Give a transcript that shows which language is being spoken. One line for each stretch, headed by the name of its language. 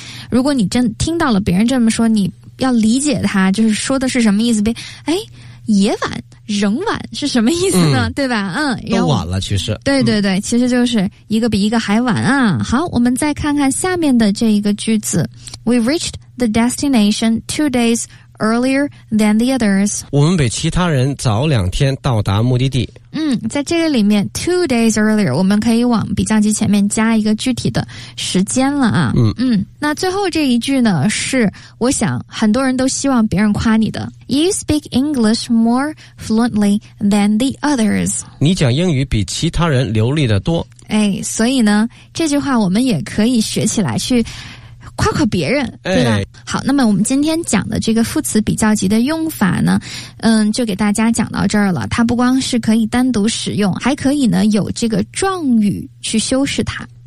Chinese: 如果你真听到了别人这么说，你要理解他，就是说的是什么意思呗？哎，也晚。仍晚是什么意思呢？对吧？都晚了，其实。对对对，其实就是一个比一个还晚啊。好，我们再看看下面的这一个句子。
English: We reached the destination 2 days earlier than the others.
Chinese: 我们比其他人早两天到达目的地。在这个里面 2 days earlier，我们可以往比较级前面加一个具体的时间了啊。那最后这一句呢，是我想很多人都希望别人夸你的。
English: You speak English more fluently than the others.
Chinese: 你讲英语比其他人流利的多。哎，所以呢，这句话我们也可以学起来去夸夸别人，对吧？哎，好，那么我们今天讲的这个副词比较级的用法呢，就给大家讲到这儿了。它不光是可以单独使用，还可以呢有这个状语去修饰它。